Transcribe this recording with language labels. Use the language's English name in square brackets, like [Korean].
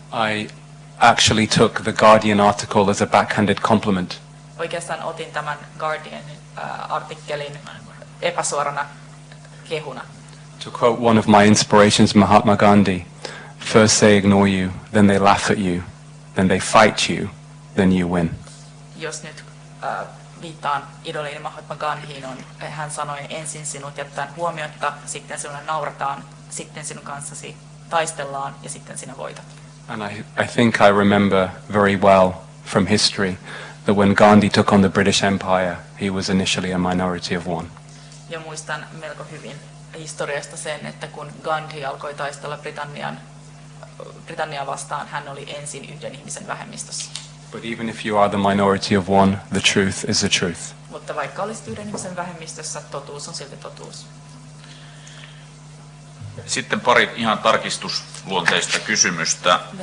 [English] I actually took the Guardian article as a backhanded compliment. [Finnish] Oikeastaan otin tämän Guardian artikkelin epäsuorana kehuna. [English] To quote one of my inspirations, Mahatma Gandhi, first they ignore you, then they laugh at you, then they fight you, then you win. [Finnish] Jos nyt viittaan idoliini Mahatma Gandhiin, hän sanoi, ensin sinut jättäen huomiotta, sitten sinulle naurataan, sitten sinun kanssasi taistellaan ja sitten sinä voitat. [English] And I think I remember very well from history that when Gandhi took on the British Empire, he was initially a minority of one. [Finnish] Ja muistan melko hyvin historiasta sen, että kun Gandhi alkoi taistella Britanniaa vastaan, hän oli ensin yhden ihmisen vähemmistössä. [English] But even if you are the minority of one, the truth is the truth. [Finnish] Mutta vaikka olisit yhden ihmisen vähemmistössä, totuus on silti totuus. Sitten pari ihan tarkistusluonteista kysymystä.